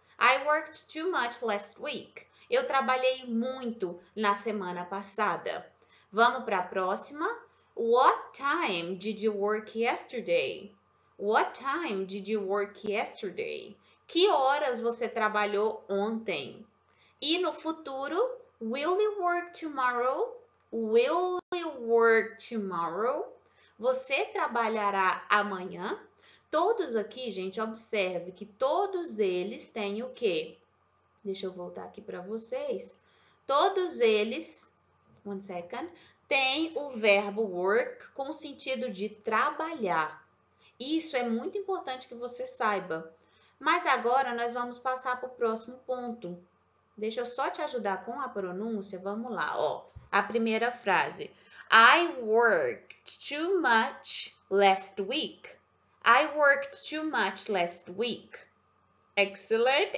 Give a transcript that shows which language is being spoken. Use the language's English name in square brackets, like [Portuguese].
[English] I worked too much last week. [Portuguese] Eu trabalhei muito na semana passada. Vamos para a próxima. [English] What time did you work yesterday? What time did you work yesterday? [Portuguese] Que horas você trabalhou ontem? E no futuro, [English] will you work tomorrow? Will you work tomorrow? [Portuguese] Você trabalhará amanhã? Todos aqui, gente, observe que todos eles têm o quê? Deixa eu voltar aqui para vocês. Todos eles, [English] one second, [Portuguese] têm o verbo work com o sentido de trabalhar. Isso é muito importante que você saiba. Mas agora nós vamos passar para o próximo ponto. Deixa eu só te ajudar com a pronúncia. Vamos lá, ó. A primeira frase. [English] I worked too much last week. I worked too much last week. Excellent.